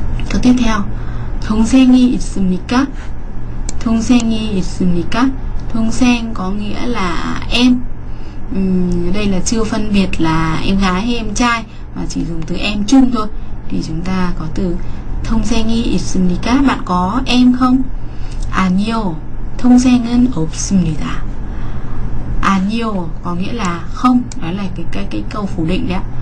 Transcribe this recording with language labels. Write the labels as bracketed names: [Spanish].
[Vietnamese] Câu tiếp theo, [Korean] 동생이 있습니까? 동생이 있습니까? [Vietnamese] 동생 có nghĩa là em. Đây là chưa phân biệt là em gái hay em trai mà chỉ dùng từ em chung thôi. Thì chúng ta có từ [Korean] 동생이 있습니까? [Vietnamese] Bạn có em không? [Korean] 아니요, 동생은 없습니다. [Vietnamese] 아니요 có nghĩa là không. Đó là cái câu phủ định đấy.